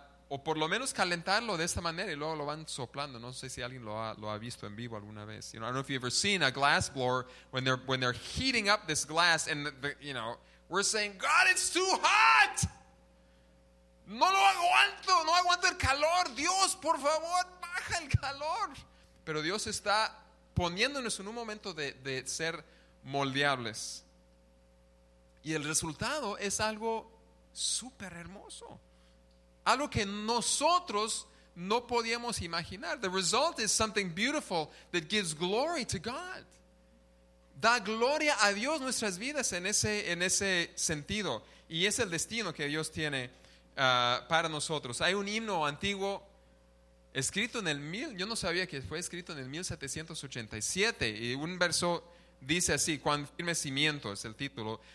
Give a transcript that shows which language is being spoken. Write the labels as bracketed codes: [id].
[es] O por lo menos calentarlo de esta manera y luego lo van soplando. No sé si alguien lo ha visto en vivo alguna vez. [en] You know, I don't know if you've ever seen a glass blower when they're heating up this glass and the we're saying, God, it's too hot! [es] No lo aguanto, no aguanto el calor. Dios, por favor, baja el calor. Pero Dios está poniéndonos en un momento de ser moldeables. Y el resultado es algo súper hermoso. Algo que nosotros no podíamos imaginar. [en] The result is something beautiful that gives glory to God. [es] Da gloria a Dios nuestras vidas en ese sentido. Y es el destino que Dios tiene para nosotros. Hay un himno antiguo escrito en el mil, yo no sabía que fue escrito en el 1787. Y un verso dice así: cuán firme cimiento es el título.